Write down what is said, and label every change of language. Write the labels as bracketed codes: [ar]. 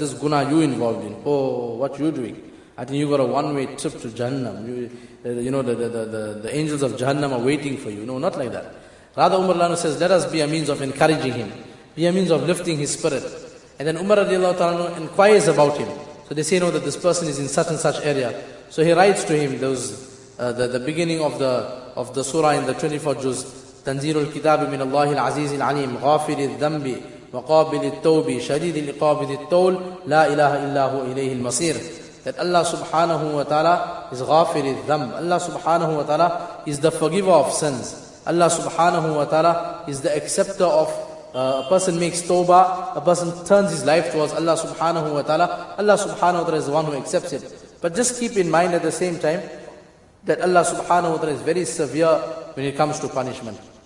[en] This guna you involved in. Oh, what you doing? I think you got a one-way trip to Jahannam. You know, the angels of Jahannam are waiting for you. No, not like that. Rather, Umar radiallahu anhu says, let us be a means of encouraging him. Be a means of lifting his spirit. And then Umar radiallahu ta'ala anhu inquires about him. So they say, no, that this person is in such and such area. So he writes to him, the beginning of the surah in the 24 juz, [ar] تَنْزِيلُ الْكِتَابِ مِنَ اللَّهِ الْعَزِيزِ الْعَلِيمِ غَافِلِ الذَّنْبِ وَقَابِلِ التَّوْبِ شَدِيدِ الْإِقَابِ التَّوْلِ لَا إِلَهَ إِلَّا هُوَ إِلَيْهِ الْمَصِيرِ. [en] That Allah subhanahu wa ta'ala is [ar] غَافِلِ الذَّنْبِ. [en] Allah subhanahu wa ta'ala is the forgiver of sins. Allah subhanahu wa ta'ala is the acceptor of a person makes tawbah, a person turns his life towards Allah subhanahu wa ta'ala. Allah subhanahu wa ta'ala is the one who accepts it. But just keep in mind at the same time that Allah subhanahu wa ta'ala is very severe when it comes to punishment.